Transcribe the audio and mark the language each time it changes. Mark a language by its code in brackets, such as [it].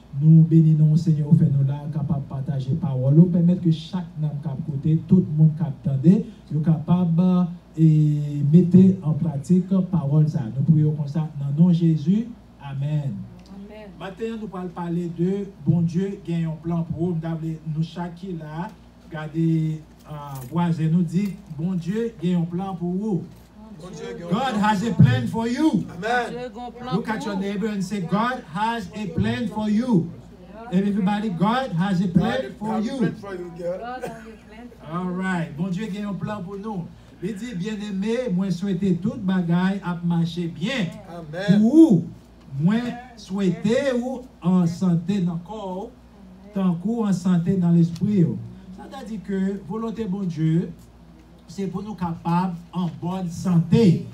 [fr] Nous bénissons, Seigneur, au fait nous là, capables de partager la parole. Nous permettons que chaque nom qui a côté, tout le monde qui a attendu, soit capable de mettre en pratique la parole. Ça. Nous prions comme ça. Dans le nom de Jésus, amen. Amen. Maintenant, nous allons parler de bon Dieu, qui a un plan pour nous. Nous avons chacun qui là, regardez. Voisin nous dit, bon Dieu, il y a un plan pour vous. [en] God has a plan for you. Amen. Look at your neighbor and say, God has a plan for you. And everybody, God has a plan for you. God has a plan for you. All right. [fr] Bon Dieu, il y a un plan pour nous. Il dit, bien-aimé, moi souhaite tout bagay à marcher bien. Amen. Pour ou, moi souhaite ou en santé dans le corps, tant qu'ou en santé dans l'esprit. Ou. Ça veut dire que volonté bon Dieu, c'est pour nous capables en bonne santé.